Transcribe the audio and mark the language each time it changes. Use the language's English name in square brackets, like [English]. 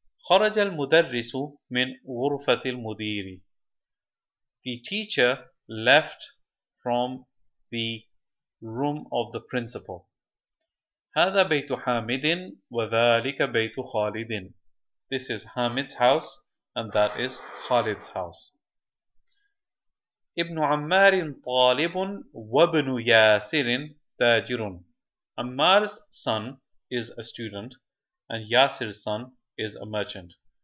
[Arabic] خرج المدرس من غرفة المدير. [English] The teacher left from the room of the principal. [Arabic] هذا بيت حامد وذلك بيت خالد. [English] This is Hamid's house and that is Khalid's house. [Arabic] ابن عمار طالب وابن ياسر تاجر. [English] Ammar's son is a student and Yasir's son is a merchant.